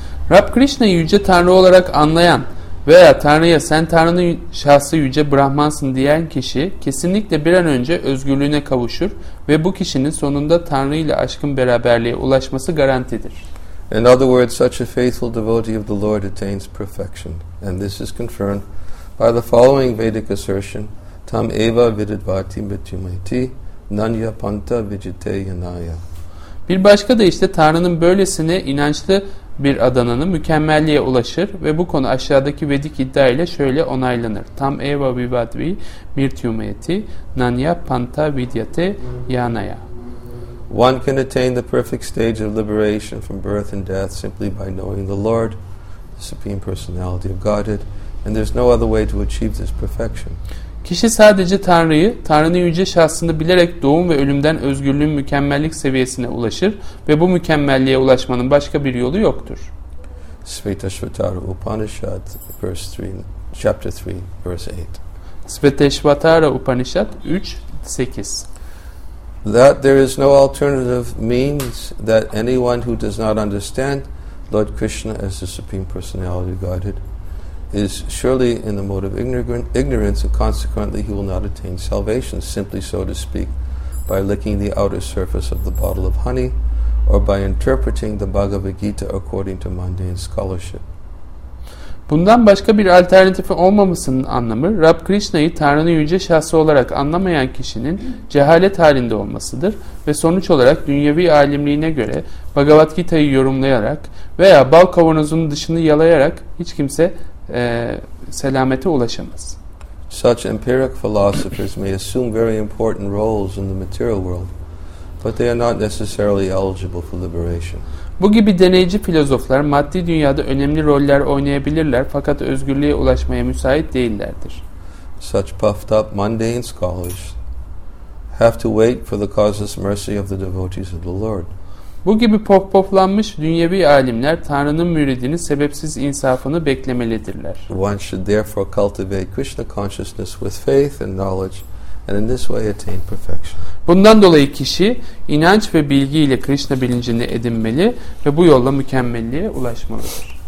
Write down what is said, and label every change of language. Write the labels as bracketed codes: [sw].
[tr] Rab Krishna yüce Tanrı olarak anlayan veya Tanrı'ya sen Tanrı'nın şahsı yüce Brahmansın diyen kişi kesinlikle bir an önce özgürlüğüne kavuşur ve bu kişinin sonunda Tanrı ile aşkın beraberliğe ulaşması garantidir. [en] In other words, such a faithful devotee of the Lord attains perfection, and this is confirmed by the following Vedic assertion: [sa] Tam eva vidvati mrityumeti nanya panta vijite yanaya. [tr] Bir başka da işte Tanrı'nın böylesine inançlı bir adananın mükemmelliğe ulaşır ve bu konu aşağıdaki Vedik iddia ile şöyle onaylanır. [sa] Tam eva vivadvi mirtyumeti nanya panta vidyate yanaya. [en] One can attain the perfect stage of liberation from birth and death simply by knowing the Lord, the Supreme Personality of Godhead, and there's no other way to achieve this perfection. [tr] Kişi sadece Tanrı'yı, Tanrı'nın yüce şahsını bilerek doğum ve ölümden özgürlüğün mükemmellik seviyesine ulaşır ve bu mükemmelliğe ulaşmanın başka bir yolu yoktur. [en] Svetashvatara Upanishad, verse 3, chapter 3, verse 8. [tr] Svetashvatara Upanishad 3, 8. [en] That there is no alternative means that anyone who does not understand Lord Krishna as the Supreme Personality of Godhead is surely in the mode of ignorance and consequently he will not attain salvation, simply so to speak, by licking the outer surface of the bottle of honey or by interpreting the Bhagavad Gita according to mundane scholarship. [tr] Bundan başka bir alternatifi olmamasının anlamı, Rab Krishna'yı Tanrı'nın yüce şahsı olarak anlamayan kişinin cehalet halinde olmasıdır ve sonuç olarak dünyevi alimliğine göre Bhagavad Gita'yı yorumlayarak veya bal kavanozunun dışını yalayarak hiç kimse selamete ulaşamaz. [en] Such empiric philosophers may assume very important roles in the material world, but they are not necessarily eligible for liberation. [tr] Bu gibi deneyici filozoflar maddi dünyada önemli roller oynayabilirler fakat özgürlüğe ulaşmaya müsait değillerdir. [en] Such puffed up mundane scholars have to wait for the causeless mercy of the devotees of the Lord. [tr] Bu gibi pohpohlanmış dünyevi alimler Tanrı'nın müridinin sebepsiz insafını beklemelidirler. [en] One should therefore cultivate Krishna consciousness with faith and knowledge and in this way attain perfection. [tr] Bundan dolayı kişi inanç ve bilgiyle Krishna bilincini edinmeli ve bu yolla mükemmelliğe ulaşmalıdır.